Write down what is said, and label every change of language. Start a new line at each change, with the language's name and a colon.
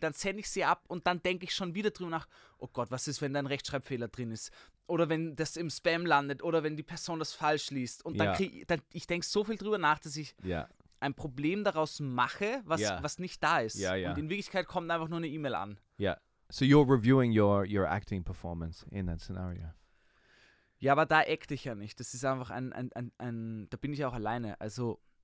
German: Dann sende ich sie ab und dann denke ich schon wieder drüber nach, oh Gott, was ist, wenn da ein Rechtschreibfehler drin ist? Oder wenn das im Spam landet oder wenn die Person das falsch liest. Und ich denke so viel drüber nach, dass ich ein Problem daraus mache, was nicht da ist.
English: Yeah, yeah.
German: Und in Wirklichkeit kommt einfach nur eine E-Mail an. Ja, yeah.
English: So you're reviewing your acting performance in that scenario.
German: Ja, aber da acte ich ja nicht. Das ist einfach ein da bin ich auch alleine, also...